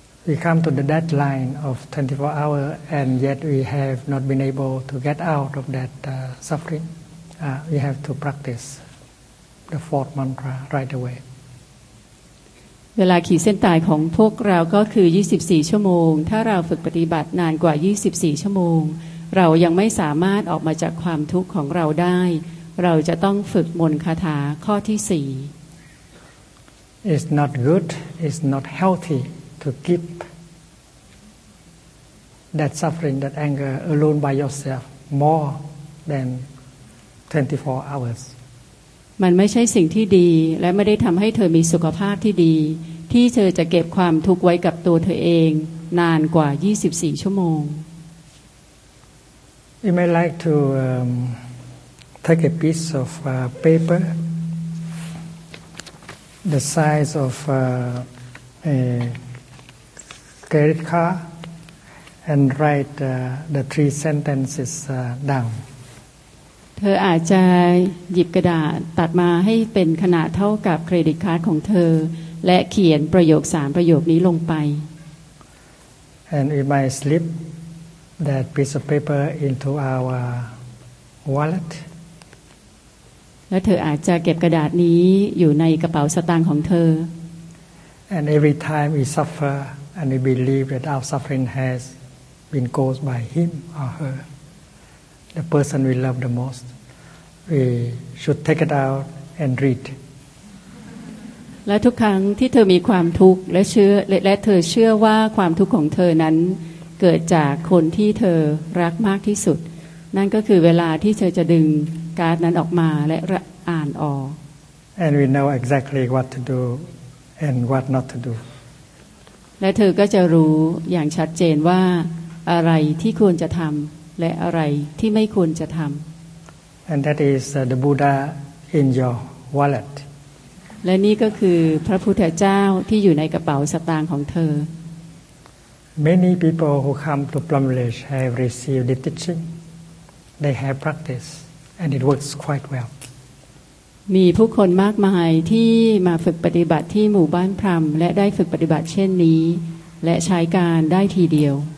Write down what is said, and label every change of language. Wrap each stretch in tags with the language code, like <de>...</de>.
<en>we come to the deadline of 24 hours and yet we have not been able to get out of that suffering we have to practice the fourth mantra right away</en> <th>เวลาขีดเส้นตายของพวกเราก็คือ24ชั่วโมงถ้าเราฝึกปฏิบัตินานกว่า24ชั่วโมงเรายังไม่สามารถออกมาจากความทุกข์ของเราได้เราจะต้องฝึกมนต์คาถาข้อที่4</th> <en>It's not good it's not healthy to keep that suffering that anger alone by yourself more than 24 hours</en> <th>มันไม่ใช่สิ่งที่ดีและไม่ได้ทำให้เธอมีสุขภาพที่ดีที่เธอจะเก็บความทุกข์ไว้กับตัวเธอเองนานกว่า24ชั่วโมง</th> <en>You may like to take a piece of paper the size of a credit card and write the three sentences down.</en> <th>เธออาจจะหยิบกระดาษตัดมาให้เป็นขนาดเท่ากับเครดิตการ์ดของเธอและเขียนประโยคสามประโยคนี้ลงไป</th> <en>And you may slipThat piece of paper into our wallet.</en> <th>และเธออาจจะเก็บกระดาษนี้อยู่ในกระเป๋าสตางค์ของเธอ</th> <en>And every time we suffer and we believe that our suffering has been caused by him or her, the person we love the most, we should take it out and read.</en> <th>และทุกครั้งที่เธอมีความทุกข์และเชื่อและเธอเชื่อว่าความทุกข์ของเธอนั้นเกิดจากคนที่เธอรักมากที่สุดนั่นก็คือเวลาที่เธอจะดึงการ์ดนั้นออกมาและอ่านออก</th> <en>And we know exactly what to do and what not to do</en> <th>และเธอก็จะรู้อย่างชัดเจนว่าอะไรที่ควรจะทำและอะไรที่ไม่ควรจะทำ</th> <en>And that is the Buddha in your wallet</en> <th>และนี่ก็คือพระพุทธเจ้าที่อยู่ในกระเป๋าสตางค์ของเธอ</th> <en>Many people who come to Plum Village have received the teaching. They have practiced, and it works quite well.</en> <th>มีผู้คนมากมายที่มาฝึกปฏิบัติที่หมู่บ้านพรหมและได้ฝึกปฏิบัติเช่นนี้และใช้การได้ทีเดียว</th>